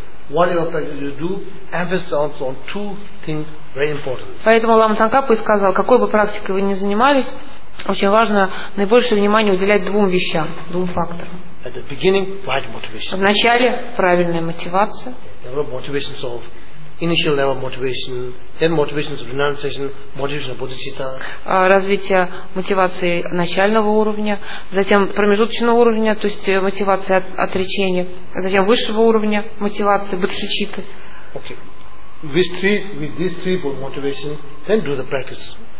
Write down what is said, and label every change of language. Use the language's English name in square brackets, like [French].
[English] Whatever practice you do, emphasize also on two things very important. [Russian] Поэтому Лама Цанкапа и сказал, какой бы практикой вы ни занимались, очень важно наибольшее внимание уделять двум вещам, двум факторам. [English] At the beginning, right motivation. [Russian] Вначале правильная мотивация. [English] There were motivations of initial level motivation, then motivations of renunciation, motivation of bodhicitta. [Russian] Развитие мотивации начального уровня, затем промежуточного уровня, то есть мотивации отречения, затем высшего уровня мотивации бодхичитты. [English] Okay. With these three motivation, then do the practice.